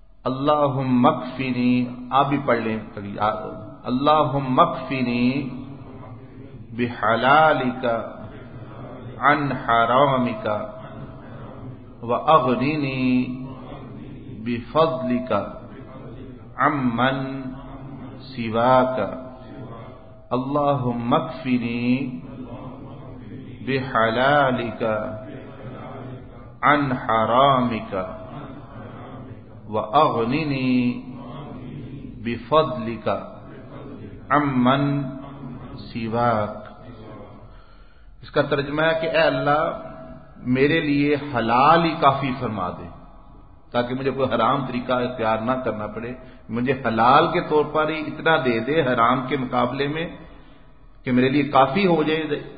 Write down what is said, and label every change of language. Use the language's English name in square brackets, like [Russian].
[Arabic] اللہم اکفنی, [Urdu] آپ بھی پڑھ لیں, [Arabic] اللہم اکفنی بحلالک عن حرامک واغننی بفضلک عمن سواك. اللهم اكفني بحلالك عن حرامك واغنني بفضلك عمن سواك. [Urdu] اس کا ترجمہ ہے کہ اے اللہ میرے لیے حلال ہی کافی فرما دے تاکہ مجھے کوئی حرام طریقہ اختیار نہ کرنا پڑے, مجھے حلال کے طور پر ہی اتنا دے دے حرام کے مقابلے میں کہ میرے لیے کافی ہو جائے.